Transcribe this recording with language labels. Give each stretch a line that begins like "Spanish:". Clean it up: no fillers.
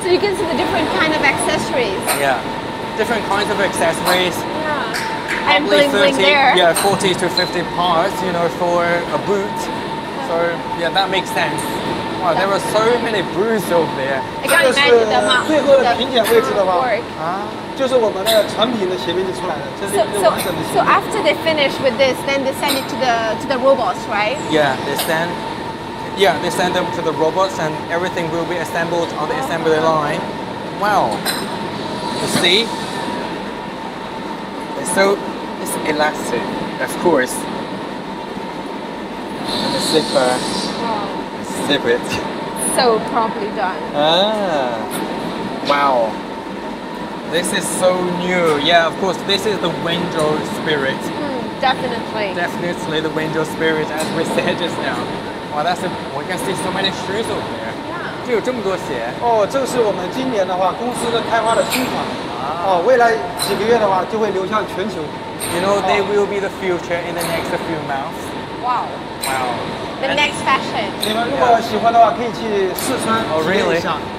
English: So you can see the different kind of accessories. Yeah. Different kinds of accessories. Yeah. I'm bling bling there. Yeah, 40 to 50 parts, you know, for a boot. So, yeah, that makes sense. Wow, there were so many boots over there. I got imagine the mark.
Chinese: 最后的评检位置的话，啊，就是我们的成品的鞋面就出来了，这是一个完整的鞋。
English: So after they finish with this, then they send it to the robots, right? Yeah, they send. Yeah, they send them to the robots, and everything will be assembled on the assembly line. Wow. You see? So it's elastic, of course. And the zipper. Zip it. So promptly done. Ah. Wow. This is so new. Yeah, of course, this is the Wenzhou spirit. Definitely the Wenzhou spirit, as we said just now. Wow, that's we can see so many shoes over there. Yeah.
Chinese: 就有这么多鞋。哦，这是我们今年的话公司的开发的新款。哦，未来几个月的话就会流向全球。
English: You know, they will be the future in the next few months. Wow. Wow. The next fashion.
Chinese: 你们如果喜欢的话，可以去试穿体验一下。